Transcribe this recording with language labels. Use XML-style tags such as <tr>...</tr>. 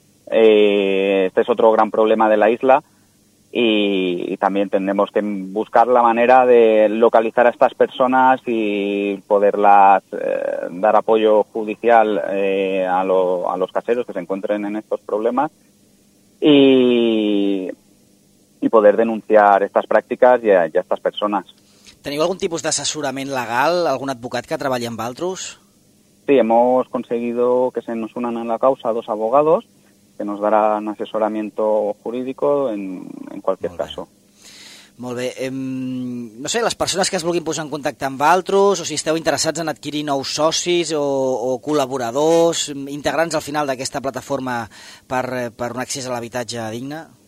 <es>Este es otro gran problema de la isla y también tenemos que buscar la manera de localizar a estas personas y poderlas dar apoyo judicial a los caseros que se encuentren en estos problemas y poder denunciar estas prácticas y a estas personas.</es> <ca>¿Teniu algún tipus d'assessorament legal, algun advocat que treballi amb altres?</ca> <es>Sí, hemos conseguido que se nos unan a la causa dos abogados que nos darán asesoramiento jurídico en cualquier caso.</es> <ca>Molt bé. No sé, les persones que es vulguin posar en contacte amb altres, o si esteu interessats en adquirir nous socis o col·laboradors, integrants al final d'aquesta plataforma per un accés a l'habitatge digne?</ca>